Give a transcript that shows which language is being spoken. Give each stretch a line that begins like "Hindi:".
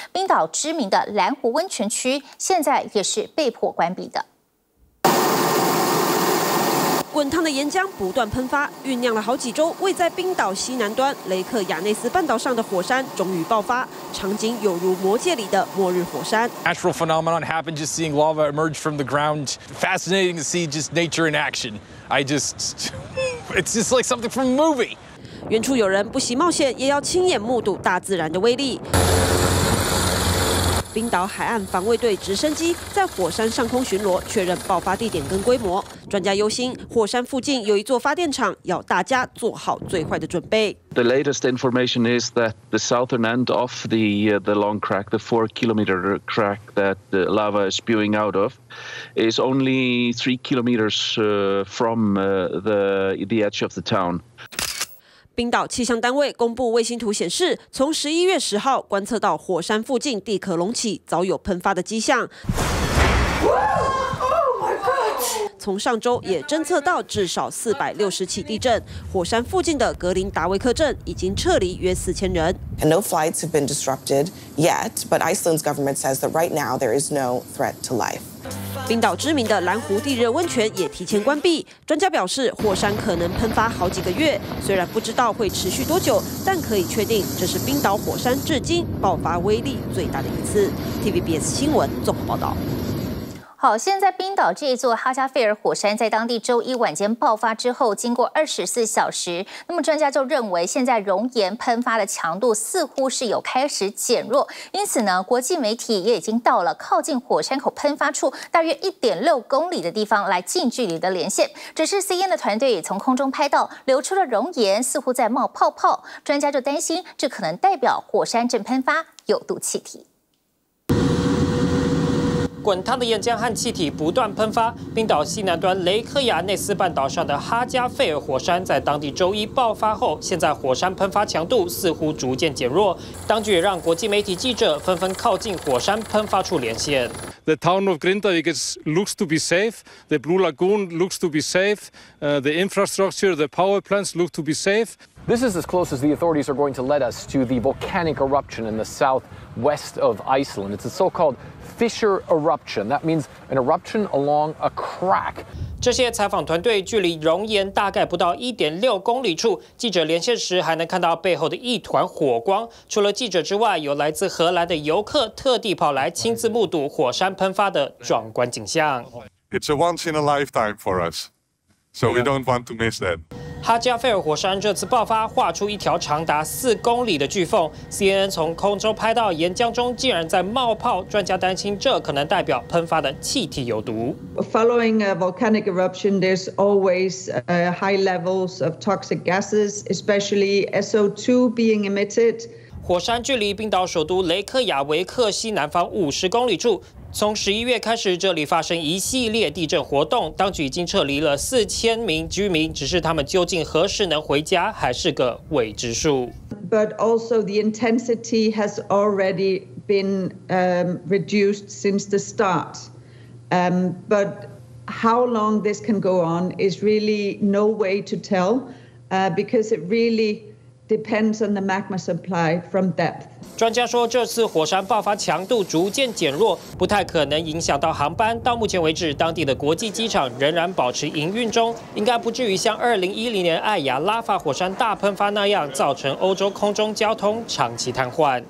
Chinese: 冰岛知名的蓝湖温泉区现在也是被迫关闭的。滚烫的岩浆不断喷发，酝酿了好几周，位在冰岛西南端雷克雅内斯半岛上的火山终于爆发，场景有如魔界里的末日火山。
English: Natural phenomenon happened, just seeing lava emerge from the ground. Fascinating to see just nature in action. It's just like something from a movie.
Chinese: 远处有人不惜冒险，也要亲眼目睹大自然的威力。冰岛海岸防卫队直升机在火山上空巡逻，确认爆发地点跟规模。专家忧心，火山附近有一座发电厂，要大家做好最坏的准备。
English: The latest information is that the southern end of the long crack, the 4 kilometer crack that the lava is spewing out of, is only 3 kilometers from the edge of the town.
Chinese: 冰岛气象单位公布卫星图显示，从11月10号观测到火山附近地壳隆起，早有喷发的迹象。从上周也侦测到至少460起地震，火山附近的格林达维克镇已经撤离约4000人。
English: And no flights have been disrupted yet, but Iceland's government says that right now there is no threat to life.
Chinese: 冰岛知名的蓝湖地热温泉也提前关闭，专家表示火山可能喷发好几个月，虽然不知道会持续多久，但可以确定这是冰岛火山至今爆发威力最大的一次。 TVBS 新闻综合报道。好，现在冰岛这一座哈加费尔火山在当地周一晚间爆发之后，经过24小时，那么专家就认为现在熔岩喷发的强度似乎是有开始减弱，因此呢，国际媒体也已经到了靠近火山口喷发处大约1.6公里的地方来近距离的连线。只是 CNN 的团队也从空中拍到流出了熔岩似乎在冒泡泡，专家就担心这可能代表火山正喷发有毒气体。滚烫的岩浆和气体不断喷发，冰岛西南端雷克雅内斯半岛上的哈加费尔火山在当地周一爆发后，现在火山喷发强度似乎逐渐减弱，当局也让国际媒体记者纷纷靠近火山喷发处连线。
English: The town of Grindavík looks to be safe. The Blue Lagoon looks to be safe. The infrastructure, the power plants look to be safe. This is as close as the authorities are going to let us to the volcanic eruption in the southwest of Iceland. It's a so-called fissure eruption. That means an eruption along a crack.
Chinese: 这些采访团队距离熔岩大概不到1.6公里处，记者连线时还能看到背后的一团火光。除了记者之外，有来自荷兰的游客特地跑来亲自目睹火山喷发的壮观景象。
English: It's a once in a lifetime for us, so we don't want to miss that.
Chinese: 哈加费尔火山这次爆发，画出一条长达4公里的巨缝。 CNN 从空中拍到岩浆中竟然在冒泡，专家担心这可能代表喷发的气体有毒。
English: Following a volcanic eruption, there's always high levels of toxic gases, especially SO2 being emitted.
Chinese: 火山距离冰岛首都雷克雅维克西南方50公里处。从11月开始，这里发生一系列地震活动，当局已经撤离了4000名居民，只是他们究竟何时能回家，还是个未知数。
English: But also the intensity has already been reduced since the start. But how long this can go on is really no way to tell, because it really depends on the magma supply from depth.
Chinese: 专家说，这次火山爆发强度逐渐减弱，不太可能影响到航班。到目前为止，当地的国际机场仍然保持营运中，应该不至于像2010年艾雅拉法火山大喷发那样，造成欧洲空中交通长期瘫痪。